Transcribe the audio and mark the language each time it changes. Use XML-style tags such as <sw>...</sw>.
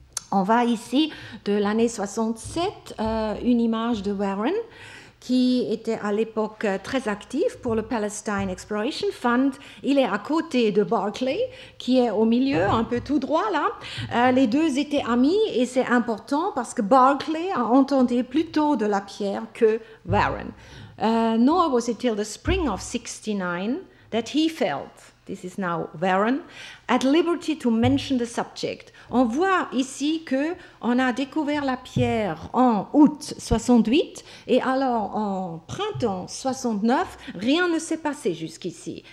<fr>On va ici de l'année 67, une image de Warren, qui était à l'époque très actif pour le Palestine Exploration Fund. Il est à côté de Barclay, qui est au milieu, un peu tout droit là. Les deux étaient amis et c'est important parce que Barclay a entendu plus tôt de la pierre que Warren.</fr> <en>Nor was it till the spring of 69 that he felt, this is now Warren, at liberty to mention the subject.</en> <fr>On voit ici qu'on a découvert la pierre en août 68 et alors en printemps 69, rien ne s'est passé jusqu'ici.</fr>